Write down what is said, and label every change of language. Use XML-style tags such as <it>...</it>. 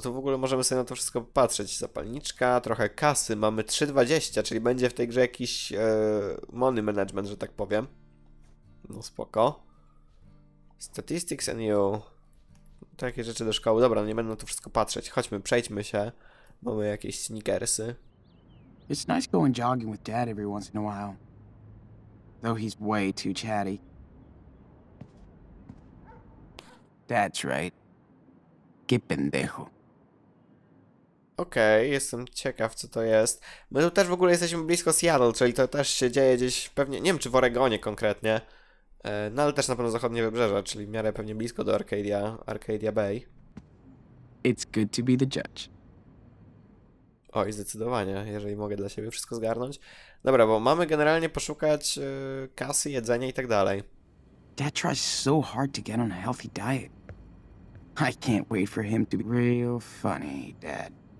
<pl>To w ogóle możemy sobie na to wszystko popatrzeć. Zapalniczka, trochę kasy. Mamy 3,20, czyli będzie w tej grze jakiś money management, że tak powiem. No spoko.</pl> <en>Statistics and you.</en> <pl>Takie rzeczy do szkoły. Dobra, no nie będę na to wszystko patrzeć. Chodźmy, przejdźmy się. Mamy jakieś sneakersy.</pl> <en>It's nice going jogging with dad every once in a while. Though he's way too chatty. That's right.</en> <es>Qué pendejo.</es> <pl>Okej, okay, jestem ciekaw, co to jest. My tu też w ogóle jesteśmy blisko Seattle, czyli to też się dzieje gdzieś pewnie, nie wiem czy w Oregonie konkretnie. No ale też na pewno zachodnie wybrzeże, czyli w miarę pewnie blisko do Arcadia Bay.</pl> <en>It's good to be the judge.</en> <pl>Oj, zdecydowanie, jeżeli mogę dla siebie wszystko zgarnąć. Dobra, bo mamy generalnie poszukać kasy, jedzenia i tak dalej.</pl> <en>Dad tries so hard to get on a healthy diet. I can't wait for him to be real funny, Dad.</en>